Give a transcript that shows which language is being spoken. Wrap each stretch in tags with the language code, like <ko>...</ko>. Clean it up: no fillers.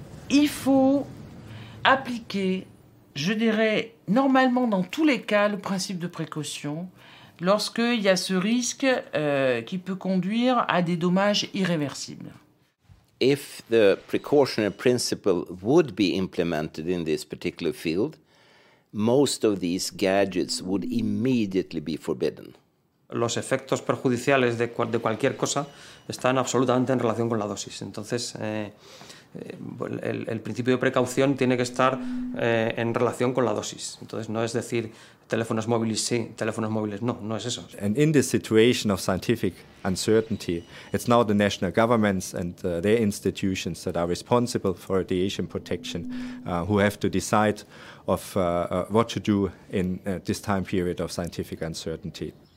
<fr>Il faut appliquer, je dirais, normalement dans tous les cas, le principe de précaution lorsqu'il y a ce risque qui peut conduire à des dommages irréversibles.</fr> <en>If the precautionary principle would be implemented in this particular field, most of these gadgets would immediately be forbidden.</en> <es>Los efectos perjudiciales de cualquier cosa están absolutamente en relación con la dosis. Entonces, el principio de precaución tiene que estar en relación con la dosis. Entonces, no es decir teléfonos móviles sí, teléfonos móviles no, no es eso.</es> <en>And in this situation of scientific uncertainty, it's now the national governments and their institutions that are responsible for radiation protection who have to decide of what to do in this time period of scientific uncertainty.</en>